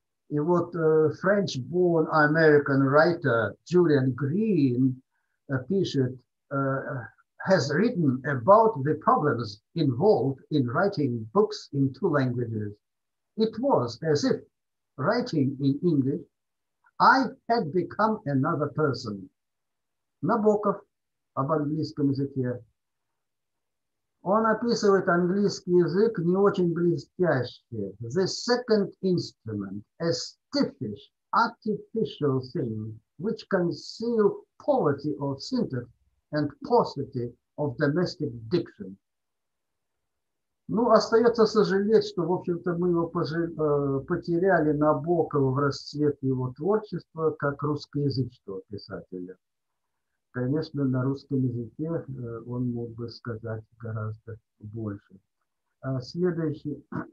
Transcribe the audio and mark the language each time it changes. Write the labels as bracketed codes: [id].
[en] И вот French-born American writer Julian Green [ru] пишет, [en] has written about the problems involved in writing books in two languages. It was as if writing in English, I had become another person. [ru] Набоков об английском языке. Он описывает английский язык не очень блестяще. [en] The second instrument, a stiffish, artificial thing, which conceal poverty of syntax and paucity of domestic diction. [ru] Ну, остается сожалеть, что, в общем-то, мы его потеряли, Набокова, в расцвет его творчества, как русскоязычного писателя. Конечно, на русском языке он мог бы сказать гораздо больше. Следующий.